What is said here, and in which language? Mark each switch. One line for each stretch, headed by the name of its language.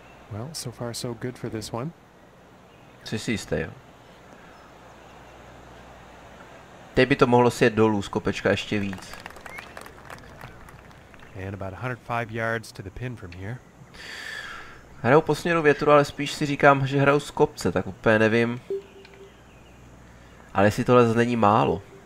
English: Well, so far so good for this one.
Czech: Jsi si jistý, jo. Teď by to mohlo sjet dolů z kopečka ještě víc.
English: And about 105 yards to the pin from here.
Czech: Hraju po směru větru, ale spíš si říkám, že hraju z kopce, tak úplně nevím. Ale jestli tohle není málo.